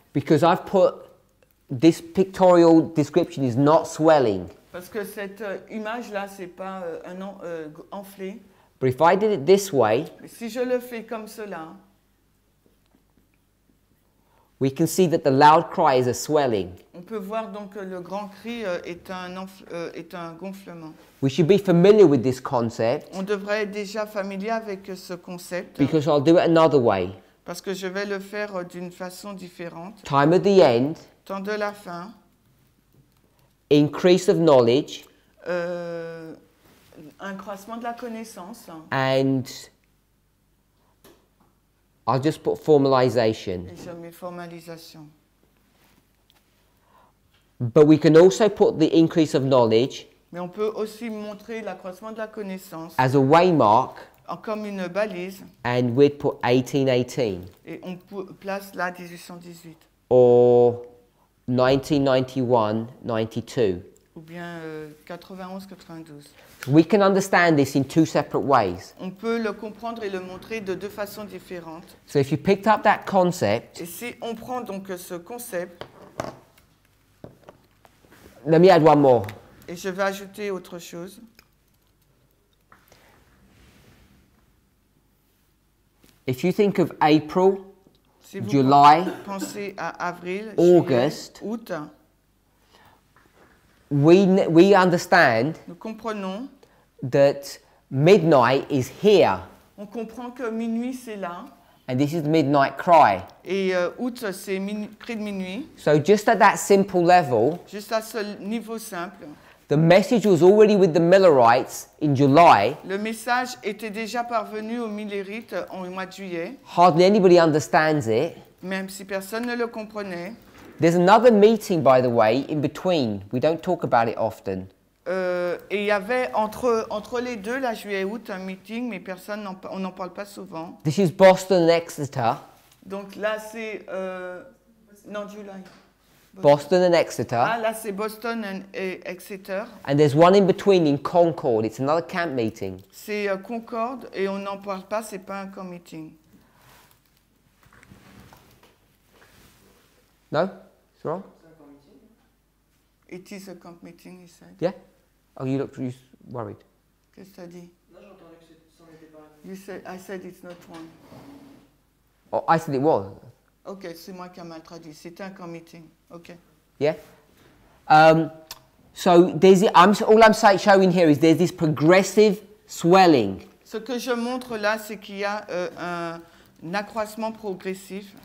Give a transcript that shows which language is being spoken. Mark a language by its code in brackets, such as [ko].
[en] because I've put this pictorial description is not swelling. [fr] Parce que cette image là, c'est pas enflé. [en] But if I did it this way, [fr] si je le fais comme cela, [en] we can see that the loud cry is a swelling. [fr] On peut voir donc que le grand cri est un gonflement. [en] We should be familiar with this concept. [fr] On devrait être déjà familier avec ce concept. [en] Because I'll do it another way. [fr] Parce que je vais le faire d'une façon différente. [en] Time at the end. [fr] Temps de la fin. [en] Increase of knowledge. [fr] Un croissement de la connaissance. [en] And I'll just put formalization. [fr] Et je mets formalisation. [en] But we can also put the increase of knowledge. [fr] Mais on peut aussi montrer l'accroissement de la connaissance. [en] As a waymark. [fr] Comme une balise. [en] And we'd put 1818. [fr] Et on place là 1818. [en] Or 1991-92. [fr] Ou bien 91-92. [en] We can understand this in two separate ways. [fr] On peut le comprendre et le montrer de deux façons différentes. [en] So if you picked up that concept, [fr] et si on prend donc ce concept, [en] let me add one more. [fr] Et je vais ajouter autre chose. [en] If you think of April, si July, [fr] pensez à avril, [en] August, [fr] juillet, août, [en] we understand. [fr] Nous comprenons. [en] That midnight is here. [fr] On comprend que minuit c'est là. [en] And this is the midnight cry. [fr] Et août c'est cri de minuit. [en] So just at that simple level. [fr] Juste à ce niveau simple. [en] The message was already with the Millerites in July. [fr] Le message était déjà parvenu aux Millerites en mois de juillet. [en] Hardly anybody understands it. [fr] Même si personne ne le comprenait. [en] There's another meeting, by the way, in between. We don't talk about it often. [fr] Et il y avait entre les deux, la juillet et août, un meeting, mais personne n'en parle pas souvent. [en] This is Boston and Exeter. [fr] Donc là, c'est... non, July. [en] Boston and Exeter. [fr] Ah, là, c'est Boston et Exeter. [en] And there's one in between in Concord. It's another camp meeting. [fr] C'est Concord et on n'en parle pas, c'est pas un camp meeting. [en] No? It's wrong? It is a camp meeting, he said. Yeah? Oh, you looked really worried. [fr] Qu'est-ce que t'as dit? [en] You said, I said it's not one. Oh, I said it was. [fr] Okay, c'est moi qui a mal traduit. C'était un camp meeting. Okay. [en] Yeah? So, showing here is there's this progressive swelling. [fr] Ce que je montre là, c'est qu'il y a un accroissement progressif.